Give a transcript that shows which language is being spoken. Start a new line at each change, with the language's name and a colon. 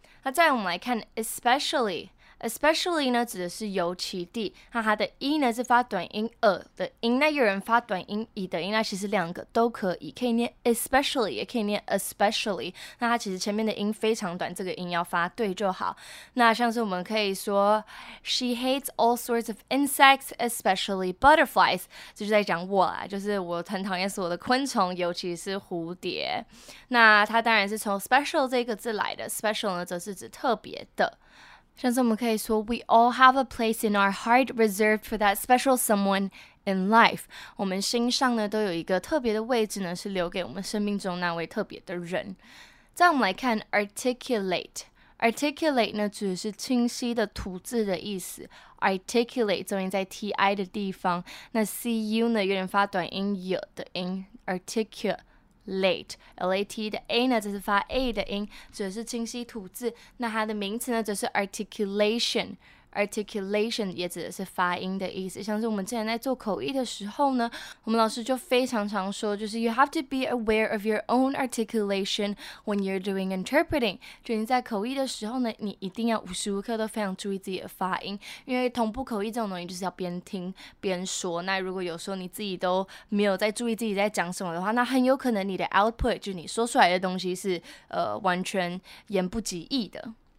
Chinese: 那再来我们来看 especially。Especially 呢，指的是尤其地。那它的 e 呢是发短音的音。那有人发短音e的音，那其实两个都可以，可以念 especially， 也可以念 especially。那它其实前面的音非常短，这个音要发对就好。那像是我们可以说
English: ，She hates all sorts of insects, especially butterflies。
Chinese: 就是在讲我啦，就是我很讨厌所有的昆虫，尤其是蝴蝶。那它当然是从 special 这个字来的 ，special 呢则是指特别的。像是我们可以说
English: ，We all have a place in our heart reserved for that special someone in life。
Chinese: 我们心上呢都有一个特别的位置呢，是留给我们生命中那位特别的人。再我们来看 articulate。articulate 呢，指的是清晰的吐字的意思。 articulate 重音在 ti 的地方，那 cu 呢有点发短音 y 的音。 articulate，L-A-T 的 A 呢，则是发 A 的音，指的是清晰吐字。那它的名词呢，则是 articulation，articulation 也指的是发音的意思。像是我们之前在做口译的时候呢，我们老师就非常常说，就是
English: you have to be aware of your own articulation when you're doing interpreting。
Chinese: 就你在口译的时候呢，你一定要无时无刻都非常注意自己的发音，因为同步口译这种东西就是要边听边说。那如果有时候你自己都没有在注意自己在讲什么的话，那很有可能你的 output 就你说出来的东西是完全言不及义的。